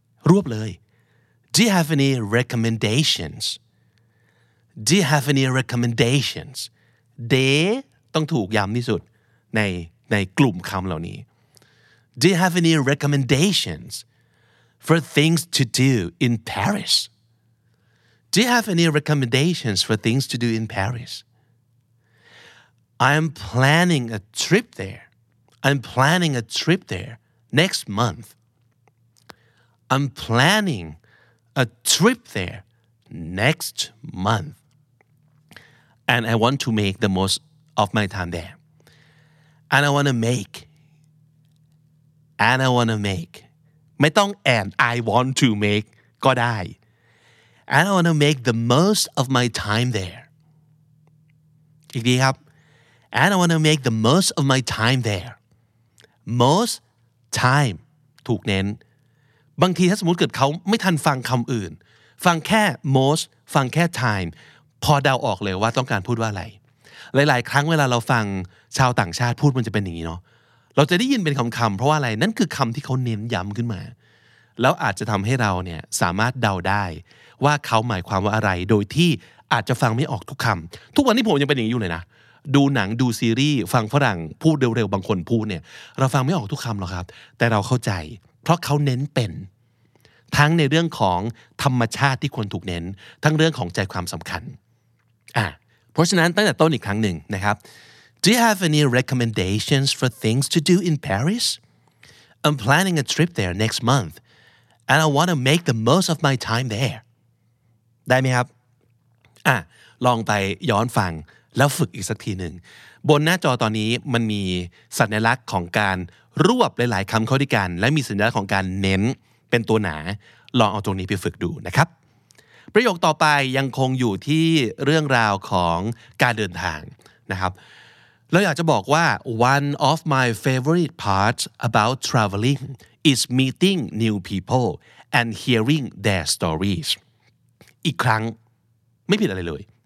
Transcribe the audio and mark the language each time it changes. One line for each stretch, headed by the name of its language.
Thai: รวบเลย
English: Do you have any recommendations? Do you have any recommendations? They
Thai: ต้องถูกย้ำที่สุดในกลุ่มคำเหล่านี้
English: Do you have any recommendations for things to do in Paris? Do you have any recommendations for things to do in Paris? I'm planning a trip there. I'm planning a trip there next month. I'm planning a trip there next month. And I want to make the most of my time there. And I want to make. And I want to make.
Thai: ไม่ต้อง
English: and I want to make
Thai: ก็ได้
English: And I want to make the most of my time there.
Thai: อีกทีครับ
English: And I want to make the most of my time there. Most time.
Thai: ถูกเน้นบางทีถ้าสมมติเกิดเขาไม่ทันฟังคำอื่นฟังแค่ most ฟังแค่ time พอเดาออกเลยว่าต้องการพูดว่าอะไรหลายๆครั้งเวลาเราฟังชาวต่างชาติพูดมันจะเป็นอย่างนี้เนาะเราจะได้ยินเป็นคำๆเพราะว่าอะไรนั่นคือคำที่เขาเน้นย้ำขึ้นมา แล้วอาจจะทำให้เราเนี่ยสามารถเดาได้ว่าเขาหมายความว่าอะไรโดยที่อาจจะฟังไม่ออกทุกคำทุกวันนี้ผมยังเป็นอย่างนี้อยู่เลยนะดูหนังดูซีรีส์ฟังฝรั่งพูดเร็วๆบางคนพูดเนี่ยเราฟังไม่ออกทุกคำหรอกครับแต่เราเข้าใจเพราะเขาเน้นเป็นทั้งในเรื่องของธรรมชาติที่ควรถูกเน้นทั้งเรื่องของใจความสำคัญเพราะฉะนั้นตั้งแต่ต้นอีกครั้งหนึ่งนะครับ
English: Do you have any recommendations for things to do in Paris? I'm planning a trip there next month and I want to make the most of my time there.
Thai: ได้มั้ยครับลองไปย้อนฟังแล้วฝึกอีกสักทีหนึ่งบนหน้าจอตอนนี้มันมีสัญลักษณ์ของการรวบหลายๆคำเข้าด้วยกันและมีสัญลักษณ์ของการเน้นเป็นตัวหนาลองเอาตรงนี้ไปฝึกดูนะครับ ประโยคต่อไปยังคงอยู่ที่เรื่องราวของการเดินทางนะครับเราอยากจะบอกว่า
English: one of my favorite parts about traveling is meeting new people and hearing their stories
Thai: อีกครั้งไม่ผิดอะไรเลย